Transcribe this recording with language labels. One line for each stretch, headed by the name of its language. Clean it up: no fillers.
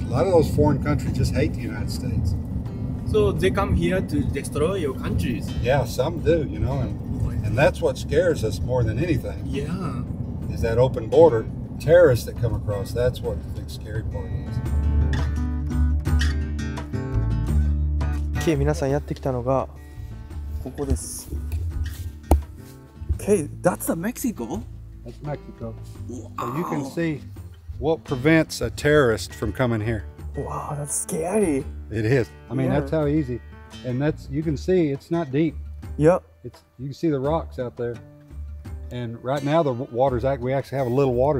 English: A lot of those foreign countries just hate the United States. So they come here to destroy your countries? Yeah, some do, you know. And that's what scares us more than anything. Yeah. Is that open border. Terrorists that come across, that's what the big scary part is.
Japanese: 皆さんやってきたのがここです。
English: Okay, that's the Mexico? That's Mexico. Wow. You can see what prevents a terrorist from coming here. Wow, that's scary. It is. I mean, that's how easy. And that's, you can see it's not deep. Yep. It's, you can see the rocks out there. And right now the water's act, we actually have a little water.